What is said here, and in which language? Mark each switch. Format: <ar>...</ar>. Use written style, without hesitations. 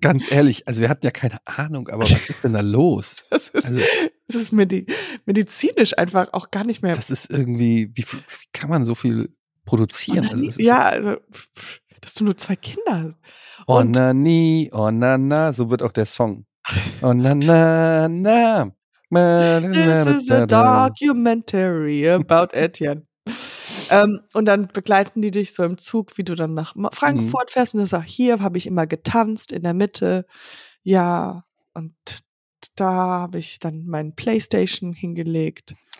<de>Ganz ehrlich, also wir hatten ja keine Ahnung, aber was ist denn da los? Das ist medizinisch einfach auch gar nicht mehr. Das ist irgendwie, wie kann man so viel produzieren? Onani, also ja, also, dass du nur zwei Kinder hast. Onani, onana, so wird auch der Song. Onana, na.</de> <en>This is a documentary about Etienne.</en> <de>Und dann begleiten die dich so im Zug, wie du dann nach Frankfurt fährst und dann sagst, hier habe ich immer getanzt in der Mitte. Ja, und da habe ich dann meinen PlayStation hingelegt.</de>